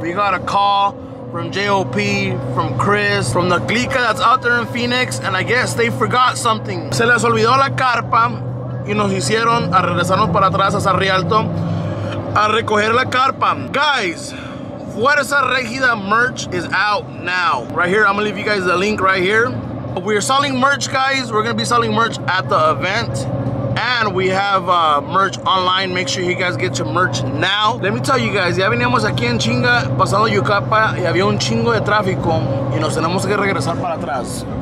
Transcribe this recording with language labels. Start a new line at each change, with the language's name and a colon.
English: We got a call from JOP, from Chris, from the clica that's out there in Phoenix, and I guess they forgot something.
Spanish: Se les olvidó la carpa y nos hicieron a regresarnos para atrás a San Rialto a recoger la carpa.
English: Guys, Fuerza Regida merch is out now. Right here, I'm gonna leave you guys the link right here. We're selling merch, guys. We're gonna be selling merch at the event. And we have merch online. Make sure you guys get your merch now. Let me tell you guys,
Spanish: ya veníamos aquí en chinga, pasando Yucaipa, y había un chingo de tráfico, y nos tenemos que regresar para atrás.